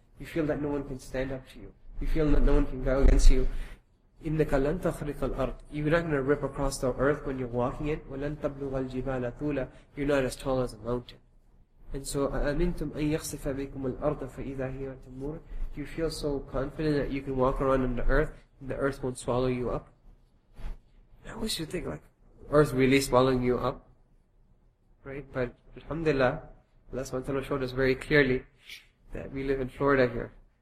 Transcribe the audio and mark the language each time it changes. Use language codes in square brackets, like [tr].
[en] You feel that no one can stand up to you. You feel that no one can go against you. [ar] إِنَّكَ لَن تَخْرِقَ الْأَرْضِ. [en] You're not going to rip across the earth when you're walking it. [ar] وَلَن تَبْلُغَ الْجِبَالَ طُولًا. [en] You're not as tall as a mountain. And so, [ar] أَأَمِنْتُمْ أَن يَخْسِفَ بِكُمُ الْأَرْضَ فَإِذَا هِيَ تَمُورُ. [en] You feel so confident that you can walk around on the earth, and the earth won't swallow you up. I wish you think, like, earth really swallowing you up. Right? But, alhamdulillah, Allah subhanahu wa ta'ala showed us very clearly that we live in Florida here.